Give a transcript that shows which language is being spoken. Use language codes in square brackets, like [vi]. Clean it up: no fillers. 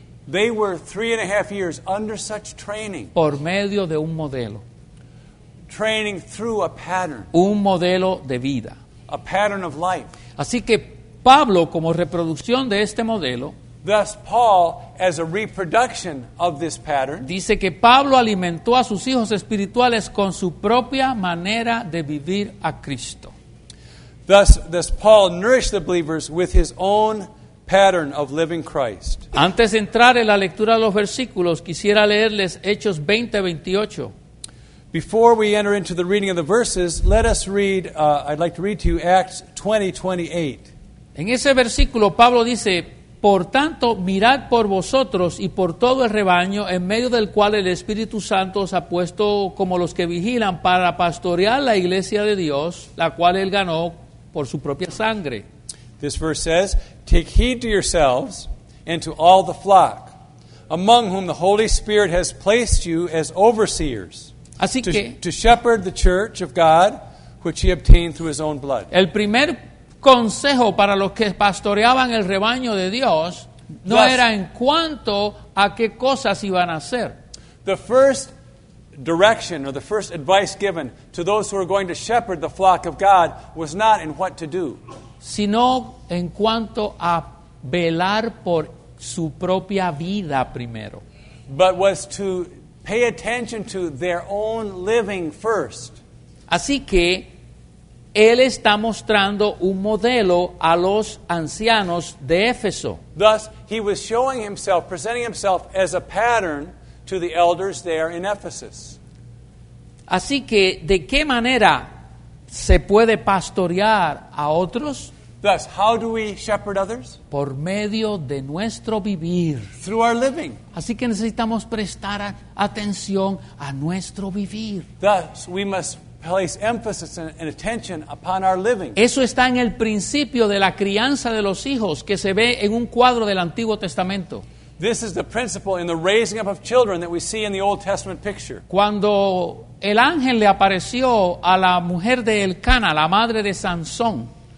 [en] They were 3.5 years under such training. [es] Por medio de un modelo. [en] Training through a pattern. [es] Un modelo de vida. [en] A pattern of life. [es] Así que Pablo, como reproducción de este modelo, [en] thus Paul, as a reproduction of this pattern, [es] dice que Pablo alimentó a sus hijos espirituales con su propia manera de vivir a Cristo. [en] Thus Paul nourished the believers with his own pattern of living Christ. [es] Antes de entrar en la lectura de los versículos, quisiera leerles Hechos 20:28. [en] Before we enter into the reading of the verses, let us read, I'd like to read to you Acts 20:28. [es] En ese versículo, Pablo dice, por tanto, mirad por vosotros y por todo el rebaño, en medio del cual el Espíritu Santo os ha puesto como los que vigilan para pastorear la iglesia de Dios, la cual él ganó por su propia sangre. [en] This verse says, take heed to yourselves and to all the flock, among whom the Holy Spirit has placed you as overseers, [es] así que, [en] to shepherd the church of God, which he obtained through his own blood. [es] El primer consejo para los que pastoreaban el rebaño de Dios no [en] thus, [es] era en cuanto a qué cosas iban a hacer. [en] The first direction or the first advice given to those who were going to shepherd the flock of God was not in what to do, [es] sino en cuanto a velar por su propia vida primero. [en] But was to pay attention to their own living first. [es] Así que él está mostrando un modelo a los ancianos de Éfeso. [en] Thus, he was showing himself, presenting himself as a pattern to the elders there in Ephesus. [es] Así que, ¿de qué manera se puede pastorear a otros? [en] Thus, how do we shepherd others? [es] Por medio de nuestro vivir. [en] Through our living. [es] Así que necesitamos prestar atención a nuestro vivir. [en] Thus, we must place emphasis and attention upon our living. [es] Eso está en el principio de la crianza de los hijos que se ve en un cuadro del Antiguo Testamento. [en] This is the principle in the raising up of children that we see in the Old Testament picture. [es] Cuando el ángel le apareció a la mujer de Elcana, la madre de Sansón.